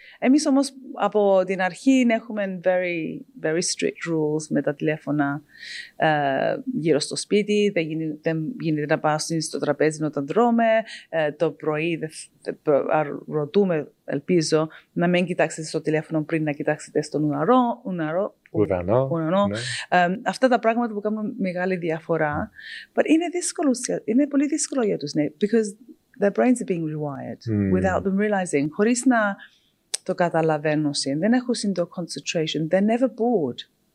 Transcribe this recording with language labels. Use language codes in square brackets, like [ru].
[el] Εμείς όμως από την αρχή έχουμε [en] very, very strict rules [el] με τα τηλέφωνα γύρω στο σπίτι. Δεν γίνεται να πάω στο τραπέζι όταν τρώμε. Το πρωί ρωτούμε, ελπίζω, να μην κοιτάξετε στο τηλέφωνο πριν να κοιτάξετε στον ουρανό. Αυτά τα πράγματα που κάνουν μεγάλη διαφορά. [en] But [el] είναι δύσκολο, είναι πολύ δύσκολο για τους νέους, [en] because their brains are being rewired without them realizing. [el] Χωρίς να το καταλαβαίνουν, δεν έχουν το concentration, [en] they're never bored.